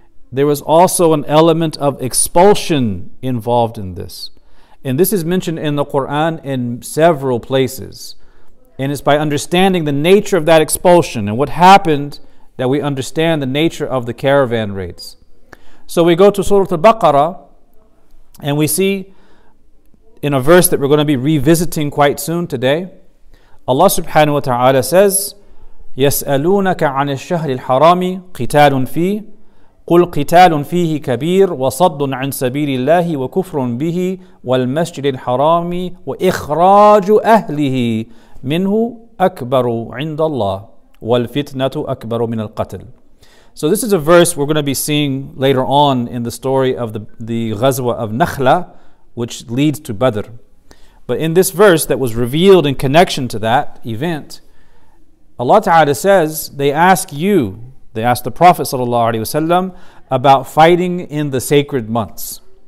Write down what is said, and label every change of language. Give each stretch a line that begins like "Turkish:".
English: There was also an element of expulsion involved in this. And this is mentioned in the Quran in several places. And it's by understanding the nature of that expulsion and what happened that we understand the nature of the caravan raids. So we go to Surah Al-Baqarah and we see in a verse that we're going to be revisiting quite soon today, Allah subhanahu wa ta'ala says,
Arabic: يَسْأَلُونَكَ عَنِ الشَّهْرِ الْحَرَامِ قِتَالٌ فِيهِ قُلْ قِتَالٌ فِيهِ كَبِيرٌ وَصَدٌّ عَنْ سَبِيلِ اللَّهِ وَكُفْرٌ بِهِ وَالْمَسْجِدِ الْحَرَامِ وَإِخْرَاجُ أَهْلِهِ مِنْهُ أَكْبَرُ عِنْدَ اللَّهِ وَالْفِتْنَةُ أَكْبَرُ مِنَ الْقَتْلِ.
English: So this is a verse we're going to be seeing later on in the story of the Ghazwa of Nakhla, which leads to Badr. But in this verse that was revealed in connection to that event, Allah Ta'ala says, they ask you, they asked the Prophet sallallahu alaihi wasallam about fighting in the sacred months.